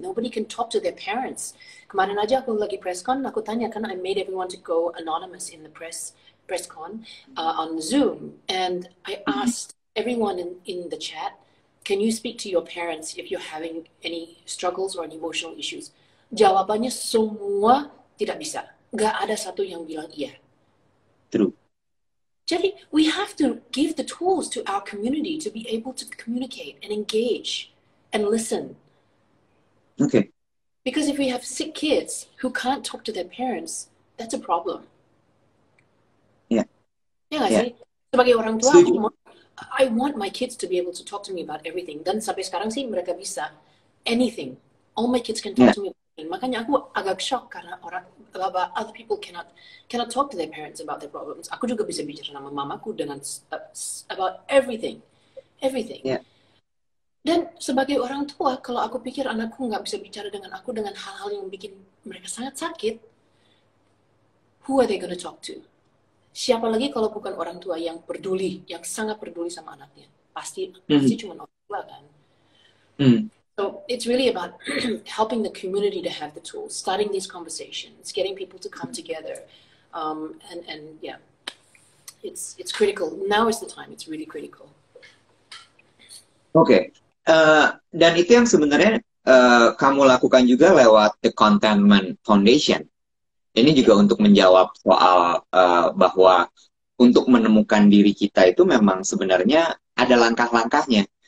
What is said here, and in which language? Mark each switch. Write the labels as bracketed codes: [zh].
[en] Nobody can talk to their parents. [id] Kemarin aja aku lagi press con, aku tanya kan, [en] I made everyone to go anonymous in the press con on Zoom. And I asked everyone in the chat, can you speak to your parents if you're having any struggles or any emotional issues? [id] Jawabannya semua tidak bisa. Gak ada satu yang bilang iya. [en] True. Jadi, we have to give the tools to our community to be able to communicate and engage and listen. Okay. Because if we have sick kids who can't talk to their parents, that's a problem. Yeah. Yeah, yeah. [id] Sebagai orang tua, [en] I want my kids to be able to talk to me about everything. [id] Dan sampai sekarang sih mereka bisa anything. [en] All my kids can talk to me about anything. [id] Makanya aku agak shock karena orang bahwa [en] other people cannot talk to their parents about their problems. [id] Aku juga bisa bicara sama mamaku dengan [en] about everything. Yeah. [id] Dan sebagai orang tua, kalau aku pikir anakku nggak bisa bicara dengan aku dengan hal-hal yang bikin mereka sangat sakit, [en] who are they going to talk to? [id] Siapa lagi kalau bukan orang tua yang peduli, yang sangat peduli sama anaknya? Pasti cuma orang tua kan. [en] So it's really about helping the community to have the tools, starting these conversations, getting people to come together, and yeah, it's critical. Now is the time. It's really critical. [id] Okay, dan itu yang sebenarnya kamu lakukan juga lewat the Contentment Foundation. Ini juga untuk menjawab soal bahwa untuk menemukan diri kita itu memang sebenarnya ada langkah-langkahnya.